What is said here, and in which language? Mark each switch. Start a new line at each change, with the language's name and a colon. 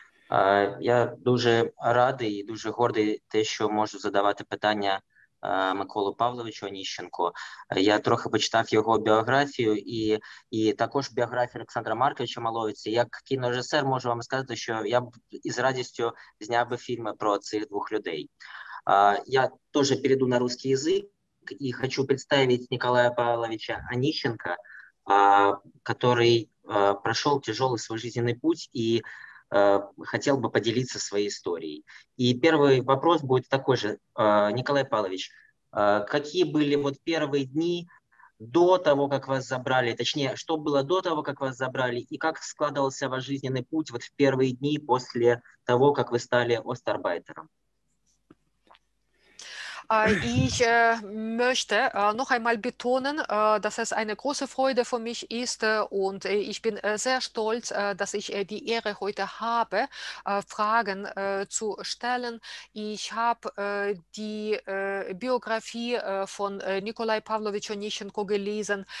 Ukrainian: Я дуже радий і дуже гордий те, що можу задавати питання Миколу Павловичу Онищенку. Я трохи почитав його біографію і також біографію Олександра Марковича Маловиці. Як кінорежисер можу вам сказати, що я б із радістю зняв би фільми про цих двох людей.
Russian: Я тоже перейду на русский язык и хочу представить Николая Павловича Онищенко, который прошел тяжелый свой жизненный путь и хотел бы поделиться своей историей. И первый вопрос будет такой же. Николай Павлович, какие были вот первые дни до того, как вас забрали? Точнее, что было до того, как вас забрали? И как складывался ваш жизненный путь вот в первые дни после того, как вы стали остарбайтером?
German: Ich möchte noch einmal betonen, dass es eine große Freude für mich ist und ich bin sehr stolz, dass ich die Ehre heute habe, Fragen zu stellen. Ich habe die Biografie von Nikolai Pavlovich Onischenko gelesen.